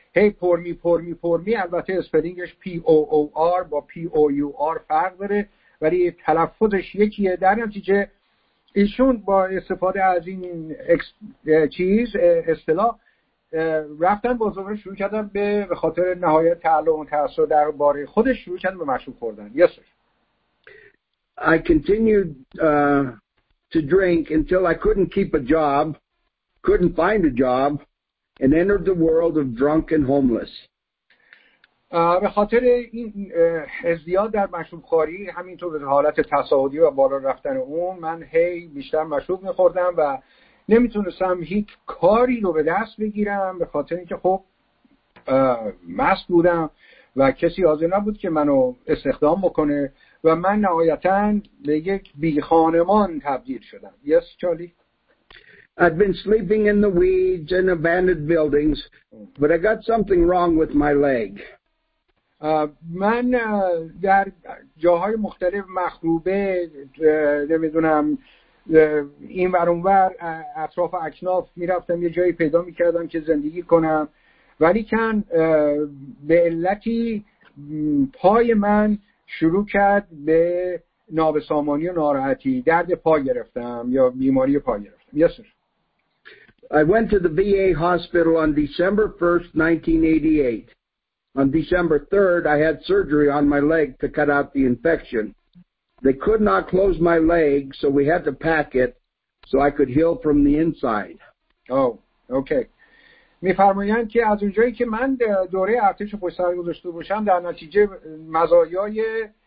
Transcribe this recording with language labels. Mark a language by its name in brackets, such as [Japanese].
[Persian] هی پور می. البته اسپلینگش P-O-O-R با P-O-U-R فرق داره، ولی تلفظش یکیه. در نتیجه ایشون با استفاده از این چیز اصطلاح رفتن بازاره، شروع کردن به خاطر نهایت تعلق و تأثیر در باره خودش شروع کردن به مشروب خوردن. [English] Yes, sir. I continued to drink until I couldn't keep a job, couldn't find a job, and entered the world of drunk and homeless. [Persian] به خاطر این ازدیاد در مشروب خوری، همینطور به حالت تصاعدی و بالا رفتن اون، من هی بیشتر مشروب میخوردم و نمیتونستم هیچ کاری رو به دست بگیرم، به خاطر اینکه خب مست بودم و کسی حاضر نبود که منو استخدام بکنه و من نهایتاً به یک بی خانمان تبدیل شدم. [English] Yes, Charlie. I'd been sleeping in the weeds in abandoned buildings, but I got something wrong with my leg. [Persian] من در جاهای مختلف مخروبه، نمیدونم این ور اون ور، اطراف اکناف میرفتم، یه جایی پیدا میکردم که زندگی کنم، ولی کن به علتی پای من شروع کرد به نابسامانی و ناراحتی، درد پا گرفتم یا بیماری پا گرفتم. [English] Yes, sir. I went to the VA hospital on December 1st, 1988. On December 3rd, I had surgery on my leg to cut out the infection. They could not close my leg, so we had to pack it so I could heal from the inside. Oh, okay. [Persian] می فرمایند که از اونجایی که من دوره ارتش پشت سر گذاشته باشم، در نتیجه مزایای